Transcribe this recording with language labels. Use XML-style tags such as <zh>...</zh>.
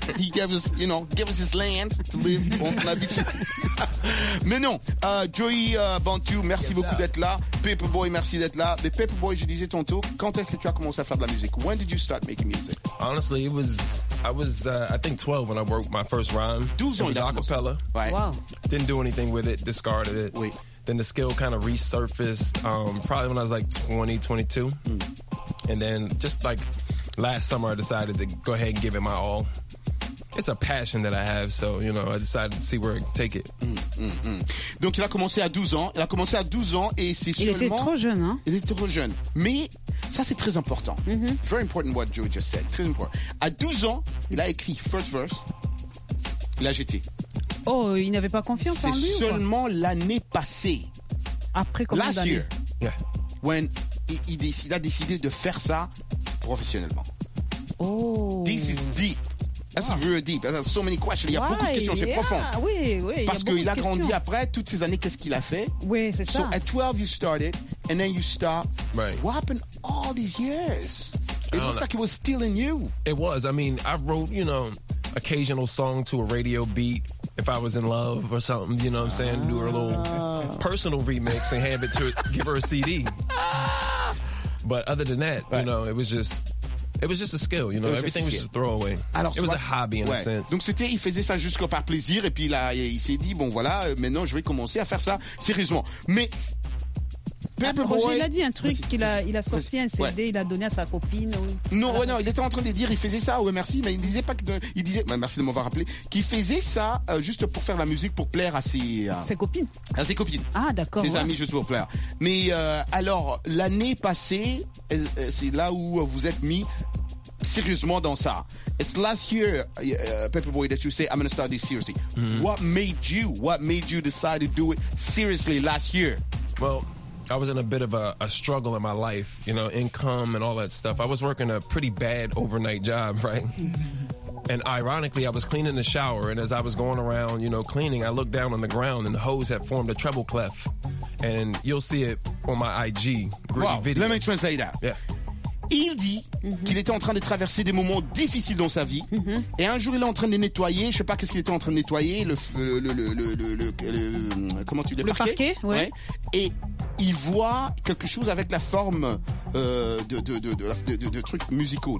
<en>He gave us, you know, gave us his land to live on</en> <fr>la vie. Mais non, Joey Bantu, merci beaucoup d'être là. Paperboy, merci d'être là. Mais Paperboy, je disais tantôt, quand est-ce que tu as commencé à faire de la musique?</fr> <en>When did you start making music? Honestly, I think 12 when I wrote my first rhyme.</en> <fr>12 ans, d'accord.</fr> <en>It was a cappella. Right. Wow. Didn't do anything with it, discarded it. Wait. Then the skill kind of resurfaced probably when I was like 20, 22. And then just like last summer, I decided to go ahead and give it my all. It's a passion that I have, so, you know, I decided to see where I take it.</en> <fr>Donc, il a commencé à 12 ans. Il a commencé à 12 ans et c'est il seulement... Il était trop jeune, hein? Il était trop jeune. Mais ça, c'est très important. Mm-hmm.</fr> <en>Very important what Joey just said.</en> <fr>Très important. À 12 ans, il a écrit</fr> <en>first verse.</en> <fr>Il a jeté. Oh, il n'avait pas confiance c'est en lui c'est seulement l'année passée. Après combien</fr> <en>last</en> <fr>d'années?</fr> <en>Last year. Yeah.</en> <fr>When il a décidé de faire ça professionnellement. Oh.</fr> <en>This is deep. That's really deep. That's so many questions.</en> <fr>Il y a beaucoup de questions. C'est profond. Oui, oui. Parce qu'il a grandi après. Toutes ces années, qu'est-ce qu'il a fait? Oui, c'est</fr> <en>so</en> <fr>ça.</fr> <en>So at 12, you started. And then you stopped. Right. What happened all these years? It looks like it was still in you. It was. I mean, I wrote, you know, occasional song to a radio beat. If I Was in Love or something, you know what I'm saying? Do her a little personal remix and hand it to her, give her a CD. But other than that, you know, it was just a skill, you know. Everything was just a throwaway. Alors, it was a hobby in a sense.</en> <fr>Donc c'était, il faisait ça juste par plaisir et puis là, il s'est dit, bon voilà, maintenant je vais commencer à faire ça sérieusement. Mais Il a dit un truc qu'il a sorti un CD, il a donné à sa copine. Non, il était en train de dire, il faisait ça. Ouais, merci, mais il disait pas que. Merci de m'avoir rappelé. Qu'il faisait ça juste pour faire la musique, pour plaire à ses copines. Ah d'accord. Ses amis juste pour plaire. Mais alors l'année passée, c'est là où vous êtes mis sérieusement dans ça.</fr> <en>It's last year, Paperboy, that you say I'm gonna start this seriously. Mm-hmm. What made you decide to do it seriously last year? Well, I was in a bit of a struggle in my life, you know, income and all that stuff. I was working a pretty bad overnight job, right? And ironically, I was cleaning the shower, and as I was going around, you know, cleaning, I looked down on the ground, and the hose had formed a treble clef. And you'll see it on my IG, gritty video. Let me translate that. Yeah.</en> <fr>Il dit qu'il était en train de traverser des moments difficiles dans sa vie. Et un jour, il est en train de nettoyer. Je sais pas qu'est-ce qu'il était en train de nettoyer. Le parquet. Ouais. Et il voit quelque chose avec la forme de trucs musicaux.</fr>